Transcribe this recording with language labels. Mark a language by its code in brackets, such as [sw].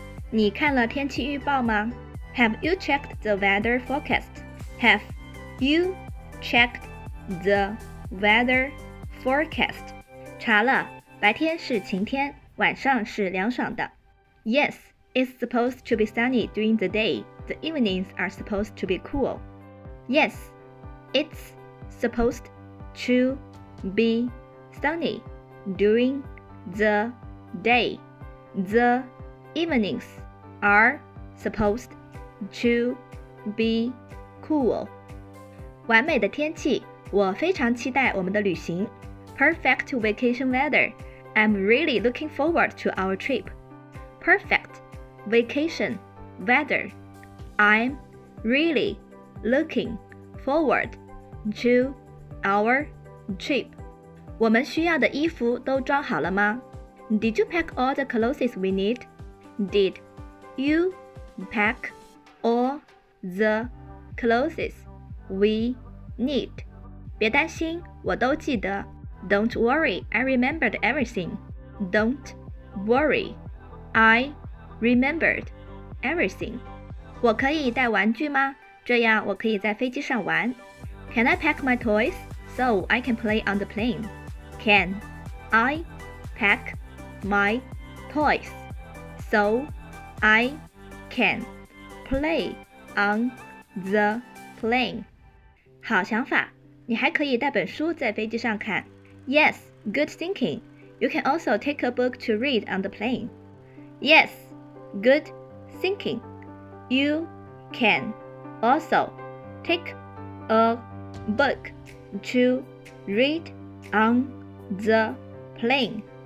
[zh] 你看了天气预报吗？ [en] Have you checked the weather forecast? Have you checked the weather forecast? [zh] 查了，白天是晴天，晚上是凉爽的。 [en] Yes, it's supposed to be sunny during the day. The evenings are supposed to be cool. Yes, it's supposed to be sunny during the day. The eveningsare supposed to be cool. [zh] 完美的天气，我非常期待我们的旅行。 [en] Perfect vacation weather. I'm really looking forward to our trip. Perfect vacation weather. I'm really looking forward to our trip. [zh] 我们需要的衣服都装好了吗？ [en] Did you pack all the clothes we need? Did you pack all the clothes we need. [zh] 别担心，我都记得。 [en] Don't worry, I remembered everything. Don't worry, I remembered everything. [zh] 我可以带玩具吗？这样我可以在飞机上玩。 [en] Can I pack my toys so I can play on the plane? Can I pack my toys so I can play on the plane? [zh] 好想法，你还可以带本书在飞机上看。 [en] Yes, good thinking. You can also take a book to read on the plane. Yes, good thinking. You can also take a book to read on the plane.